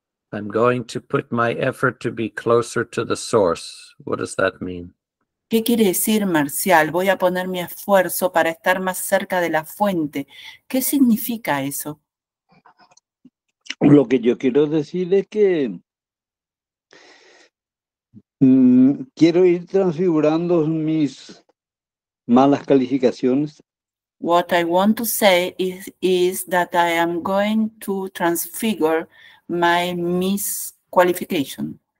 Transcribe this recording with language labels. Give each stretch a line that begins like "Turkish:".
English: I'm going to put my effort to be closer to the source. What does that mean?
Spanish: ¿Qué quiere decir, Marcial? Voy a poner mi esfuerzo para estar más cerca de la fuente. ¿Qué significa eso? Lo que yo quiero decir es que quiero ir transfigurando mis malas calificaciones.
English: What I want to say is that I am going to transfigure my misqualification.